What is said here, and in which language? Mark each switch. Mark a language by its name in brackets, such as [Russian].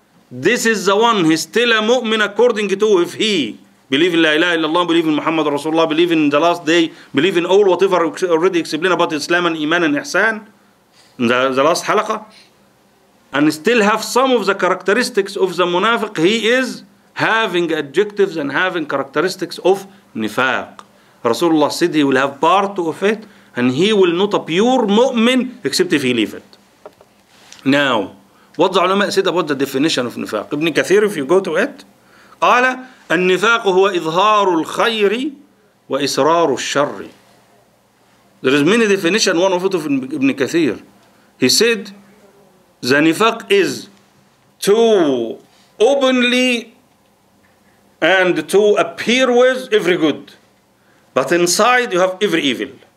[English] This is the one, he's still a mu'min according to, if he believe in la ilaha illallah, believe in Muhammad Rasulullah, believe in the last day, believe in all whatever already explained about Islam and Iman and Ihsan, in the last halaqah. And still have some of the characteristics of the munafiq, he is having adjectives and having characteristics of nifaq. Rasulullah said he will have part of it and he will not a pure mu'min except if he leave it. Now, what the ulama said about the definition of nifaq? [Arabic] Ibn Kathir, [English] if you go to it, [Arabic] قال النفاق هو إظهار الخير وإسرار الشر. [English] There is many definition, one of it of Ibn Kathir. He said the nifaq is to openly and to appear with every good, but inside you have every evil.